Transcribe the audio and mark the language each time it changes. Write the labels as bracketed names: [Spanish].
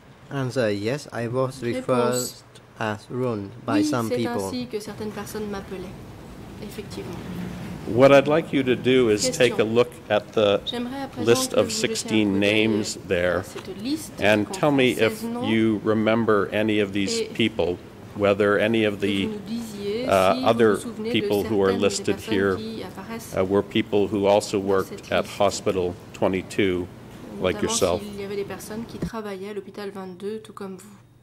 [English] Answer, yes, I was referred as Run by some people. [French] Oui, c'est ainsi que certaines personnes m'appelaient, effectivement. [English] What I'd like you to do is question. Take a look at the list of 16 names there and tell me if you remember any of these people, whether any of the other people who are listed here were people who also worked at Hospital 22. Like yourself. [French] S'il y avait des personnes qui travaillaient à l'hôpital 22 tout comme vous.